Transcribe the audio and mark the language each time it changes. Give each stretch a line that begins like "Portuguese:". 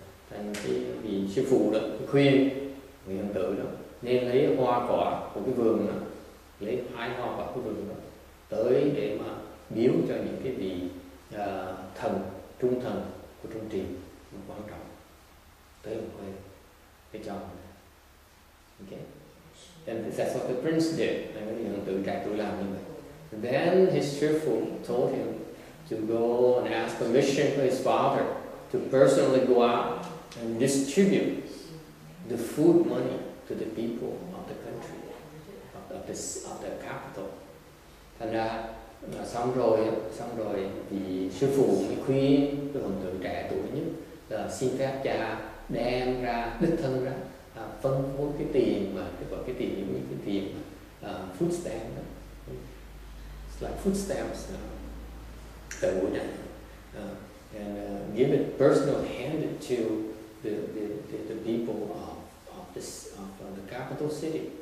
Vietnamese: Thành cái sư phụ đó khuyên người hoàng tử đó nên lấy hoa quả của cái vườn đó, lấy hai hoa quả của vườn đó tới để mà biếu cho những cái vị thần trung thần của trung triều quan trọng tới một cái cái chồng. Okay.
English: And that's what the prince did.
Vietnamese: Người hoàng tử trẻ tuổi làm như vậy.
English: Then his fearful told him to go and ask permission for his father to personally go out and distribute the food money to the people of the country, of the capital.
Vietnamese: Thành ra xong rồi thì sư phụ mới khuyên cái hoàng tử trẻ tuổi nhất là xin phép cha đem ra đích thân ra phân phối cái tiền mà gọi cái tiền như cái tiền food stamp đó.
English: Like food stamps, give it personal hand it to the people of the capital city.